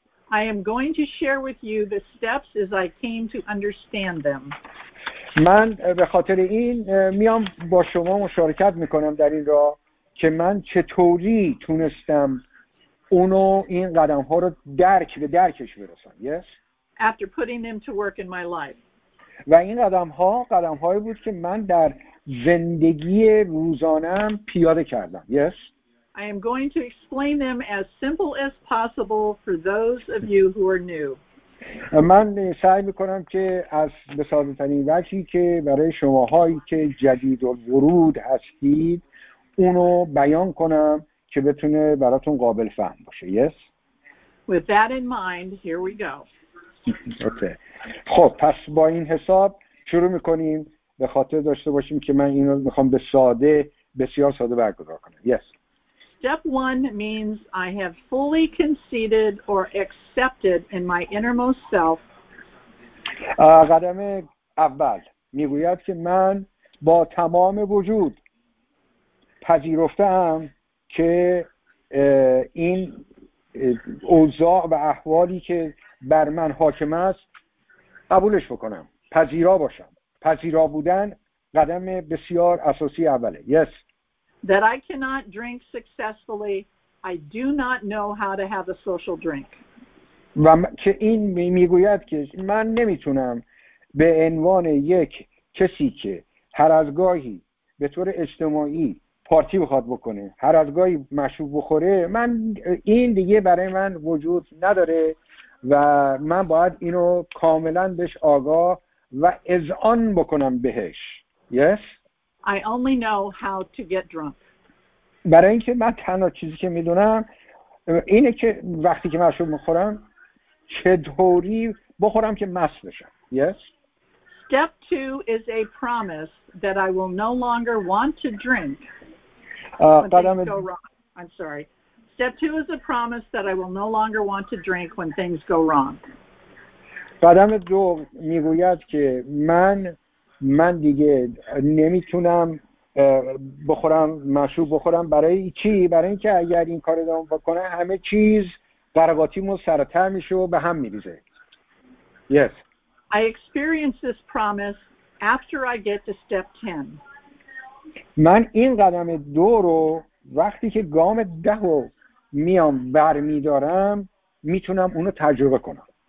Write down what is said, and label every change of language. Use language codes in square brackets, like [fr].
[en] I am going to share with you the steps as I came to understand them. [fa] من به خاطر این میام با شما مشارکت میکنم در این راه که من چطوری تونستم اونو این قدم ها رو درک به درکش برسم. [en] Yes. After putting them to work in my life. [fa] و این قدم ها قدم هایی بود که من در زندگی روزانه‌ام پیاده کردم. [en] Yes. I am going to explain them as simple as possible for those of you who are new. [fa] من سعی میکنم که از به ساده ترین وجهی که برای شماهایی که جدید ورود هستید اونو بیان کنم که بتونه براتون قابل فهم باشه. [en] Yes. With that in mind, here we go. Okay. [fa] خب پس با این حساب شروع میکنیم. به خاطر داشته باشیم که من اینو میخوام به ساده، بسیار ساده برگزار کنم. [en] Yes. Step one means I have fully conceded or accepted in my innermost self. [fa] قدم اول میگوید که من با تمام وجود پذیرفتم که این اوضاع و احوالی که بر من حاکم است قبولش بکنم، پذیرا باشم. پذیرا بودن قدم بسیار اساسی اوله. [en] Yes. That I cannot drink successfully, I do not know how to have a social drink. [fa] و که این میگوید که من نمیتونم به عنوان یک کسی که هر از گاهی به طور اجتماعی پارتی بخواد بکنه، هر از گاهی مشروب بخوره، من این دیگه برای من وجود نداره و من باید اینو کاملا بهش آگاه و اذعان بکنم بهش. [en] Yes. I only know how to get drunk. [fa] برای اینکه من تنها چیزی که میدونم اینه که وقتی که مشروب میخورم چطوری بخورم که مست بشم. [en] Yes. Step 2 is a promise that I will no longer want to drink. [fa] قدم [en] I'm sorry. Step two is a promise that I will no longer want to drink when things go wrong. [fa] قدم دو میگوید که من دیگه نمیتونم بخورم مشروب بخورم برای چی؟ برای اینکه اگر این کار ادامه بکنه همه چیز قرباتیمو سرتر میشه و به هم میریزه. [en] Yes. I experience this promise after I get to step 10. [fa] من این قدم دو رو وقتی که گام ده رو میام برمیدارم میتونم اونو تجربه کنم.